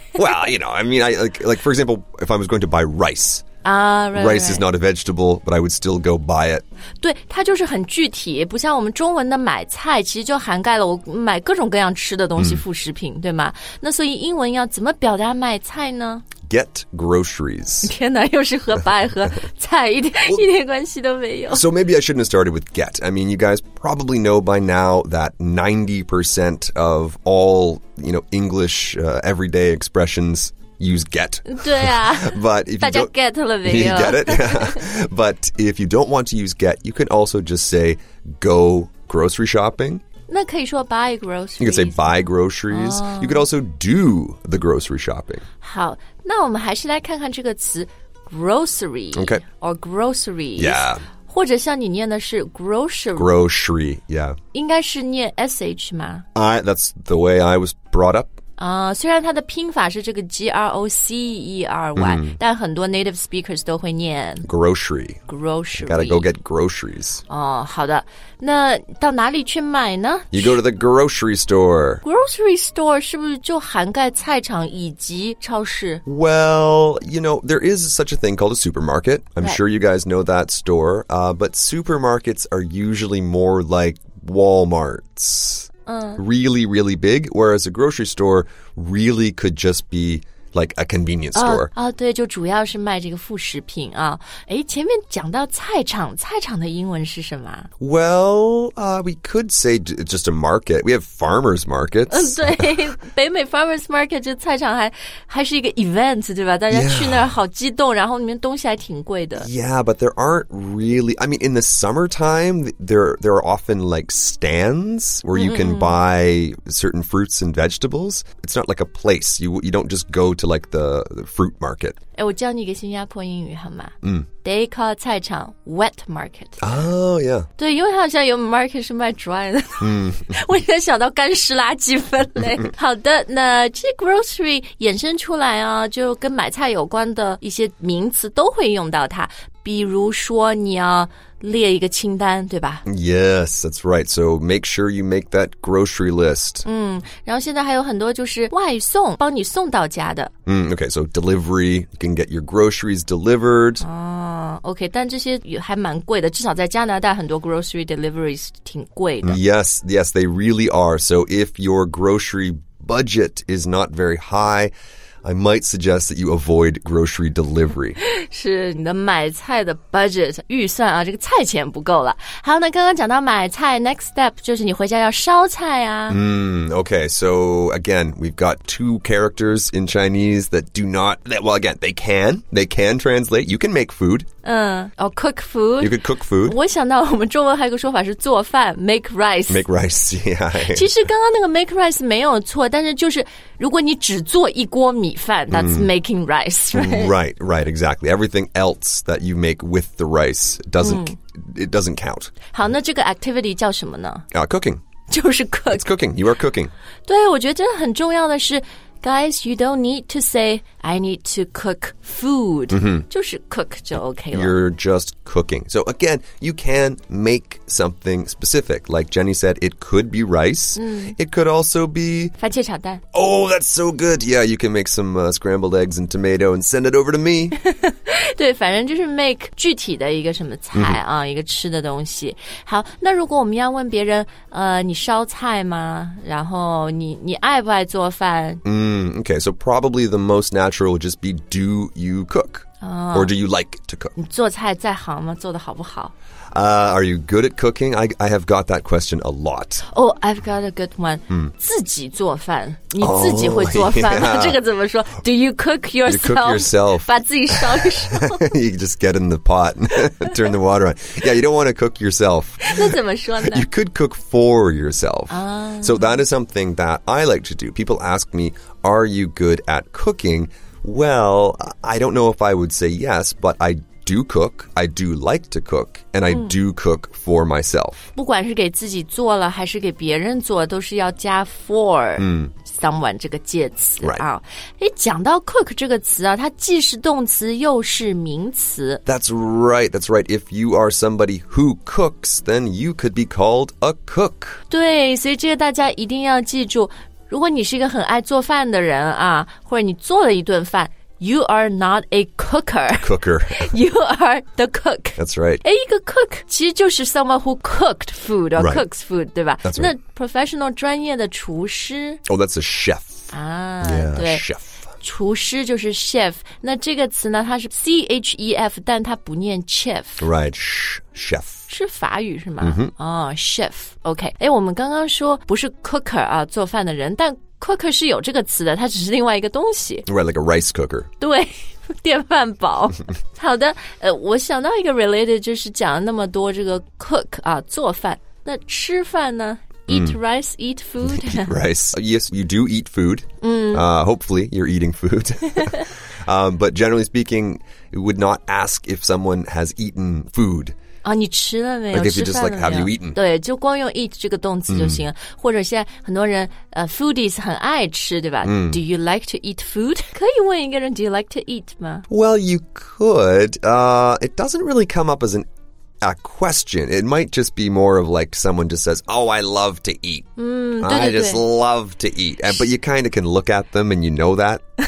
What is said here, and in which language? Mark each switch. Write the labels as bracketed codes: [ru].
[en] Well, you know, I mean, like, for example, if I was going to buy rice. Rice is not a vegetable, but I would still go buy it. [zh] 对，它就是很具体，不像我们中文的买菜，其实就涵盖了我买各种各样吃的东西，副食品，对吗？那所以英文要怎么表达买菜呢？ [en] Get groceries. [zh] 天哪，又是和白和菜一点关系都没有。 [en] So maybe I shouldn't have started with get. I mean, you guys probably know by now that 90% of all, you know, English, everyday expressions use get. [zh] 对啊。 [en] But if you don't, [zh] 大家 get 了没有? [en] You get it? But if you don't want to use get, you can also just say go grocery shopping. [zh] 那可以说 [en] buy groceries. You could say buy groceries.、 Oh. You could also do the grocery shopping. [zh] 好，那我们还是来看看这个词 grocery. [en] Okay. Or groceries. Yeah. [zh] 或者像你念的是 grocery. [en] Grocery, yeah. [zh] 应该是念 sh 吗? [en] That's the way I was brought up. [zh] 虽然它的拼法是这个 G-R-O-C-E-R-Y,、mm. 但很多 [en] native speakers [zh] 都会念 [en] Grocery. Grocery. Gotta go get groceries. [zh] 哦，好的。那到哪里去买呢? [en] You go to the grocery store. Grocery store [zh] 是不是就涵盖菜场以及超市? [en] Well, you know, there is such a thing called a supermarket. I'm、right. sure you guys know that store. But supermarkets are usually more like Walmarts. Really, really big, whereas a grocery store really could just be like a convenience store. [zh] 对，就主要是卖这个副食品啊。诶，前面讲到菜场，菜场的英文是什么？ [en] Well, we could say just a market. We have farmer's markets. [zh] 对，北美 farmer's market 就菜场还是一个 event, 对吧？大家去那儿好激动，然后里面东西还挺贵的。 [en] Yeah, but there aren't really, I mean, in the summertime, there are often like stands where you can buy certain fruits and vegetables. It's not like a place. You don't just go to like the fruit market. [zh] 诶，我教你一个新加坡英语好吗？嗯。 [en] They call 菜场 wet market. Oh, yeah. [zh] 对，因为它好像有 market 是卖 dry 的。嗯。我也想到干湿垃圾分类。好的，那这 grocery 衍生出来啊，就跟买菜有关的一些名词都会用到它。比如说你要列一个清单，对吧？ [en] Yes, that's right. So make sure you make that grocery list. [zh] 嗯，然后现在还有很多就是外送，帮你送到家的。 [en] 嗯 ，OK, so delivery, you can get your groceries delivered. [zh] 哦 ，OK, 但这些也还蛮贵的，至少在加拿大很多 [en] grocery deliveries [zh] 挺贵的。 [en] Yes, yes, they really are. So if your grocery budget is not very high,I might suggest that you avoid grocery delivery. [zh] 是你的买菜的 budget, 预算啊，这个菜钱不够了。好，那刚刚讲到买菜 , [en] next step [zh] 就是你回家要烧菜啊。 [en] Okay, so again, we've got two characters in Chinese that do not, that, well again, they can translate, you can make food. 嗯，哦 ,cook food. You could cook food. [zh] 我想到我们中文还有个说法是做饭 , [en] make rice. Make rice, yeah. [zh] 其实刚刚那个 [en] make rice [zh] 没有错，但是就是如果你只做一锅米饭, [en] that's making rice, right? Right, right, exactly. Everything else that you make with the rice doesn't count. [zh] 好，那这个 activity 叫什么呢? [en] Cooking. [zh] 就是 cook. [en] It's cooking. You are cooking. [zh] 对，我觉得真的很重要的是 [en] Guys, you don't need to say, I need to cook food. Mm-hmm. [zh] 就是 cook 就 OK 了。 [en] You're just cooking. So again, you can make something specific. Like Jenny said, it could be rice.、 Mm. It could also be... [zh] 番茄炒蛋。 [en] Oh, that's so good. Yeah, you can make some、scrambled eggs and tomato and send it over to me. [zh] 对，反正就是 make 具体的一个什么菜啊、mm-hmm. 一个吃的东西。好，那如果我们要问别人、你烧菜吗？然后 你爱不爱做饭？ [en] Okay, so probably the most natural would just be, do you cook?、 Oh, or do you like to cook? [zh] 你做菜在行吗？做得好不好、 [en] Are you good at cooking? I have got that question a lot. Oh, I've got a good one.、 Mm. [zh] 自己做饭。你自己会做饭吗、 [en] oh, yeah. [zh] 这个怎么说 [en] Do you cook yourself? You cook yourself. [zh] 把自己烧一烧。 [en] You just get in the pot and turn the water on. Yeah, you don't want to cook yourself. [zh] 那怎么说呢 [en] You could cook for yourself.、 Oh. So that is something that I like to do. People ask me, are you good at cooking? Well, I don't know if I would say yes, but I do cook. I do like to cook. And、mm. I do cook for myself. [zh] 不管是给自己做了还是给别人做都是要加 for.、 [en] Mm. [zh] Someone 这个介词、 [en] right. [zh] 啊，哎，讲到 cook 这个词啊，它既是动词又是名词。 [en] That's right, that's right. If you are somebody who cooks, then you could be called a cook. [zh] 对，所以这个大家一定要记住，如果你是一个很爱做饭的人啊，或者你做了一顿饭。 [en] You are not a cooker. Cooker. You are the cook. That's right. [zh] 一个 [en] cook [zh] 其实就是 [en] someone who cooked food or、 right. cooks food, [zh] 对吧 [en] That's right. [zh] 那 professional 专业的厨师 [en] Oh, that's a chef. [zh] 啊、 [en] yeah, [zh] 对 [en] chef. [zh] 厨师就是 chef 那这个词呢它是 chef 但它不念 chef [en] Right, chef [zh] 是法语是吗、 [en] mm-hmm. [zh] 哦 chef OK 我们刚刚说不是 cooker 啊，做饭的人但 cooker 是有这个词的它只是另外一个东西 [en] Right, like a rice cooker [zh] 对电饭煲好的我想到一个 related 就是讲了那么多这个 cook 啊，做饭那吃饭呢 [en] Eat、 [zh] mm. [en] rice, eat food. Eat rice. Yes, you do eat food.、 Mm. Hopefully, you're eating food. 、but generally speaking, you would not ask if someone has eaten food. [zh] 啊、你吃了没有 [en] like if you just like, have you eaten? [zh] 对就光用 eat 这个动词就行、mm. 或者现在很多人、foodies 很爱吃对吧、 [en] mm. Do you like to eat food? [zh] 可以问一个人 [en] do you like to eat [zh] 吗 [en] Well, you could.、it doesn't really come up as anA question. It might just be more of like someone just says, oh, I love to eat.、 [zh] 嗯、对对对 [en] I just love to eat. But you kind of can look at them and you know that.